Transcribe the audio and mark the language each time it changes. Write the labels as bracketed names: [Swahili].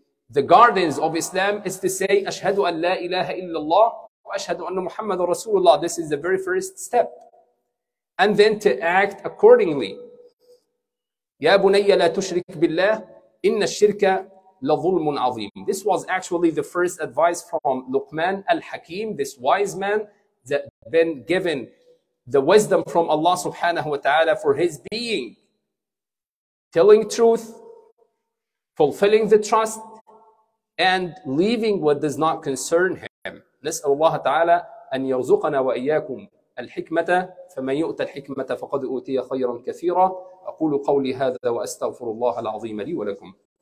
[English] The guardians of Islam is to say [Arabic] أشهد أن لا إله إلا الله وأشهد أن محمد رسول الله. [English] This is the very first step. And then to act accordingly. [Arabic] يا بني لا تشرك بالله إن الشرك لظلم عظيم. [English] This was actually the first advice from Luqman al-Hakim, this wise man that been given the wisdom from Allah subhanahu wa ta'ala for his being. Telling truth, fulfilling the trust, and leaving what does not concern him. [Arabic] نسأل الله تعالى أن يرزقنا وإياكم الحكمة فمن يؤت الحكمة فقد أوتي خيرا كثيرا. أقول قولي هذا وأستغفر الله العظيم لي ولكم.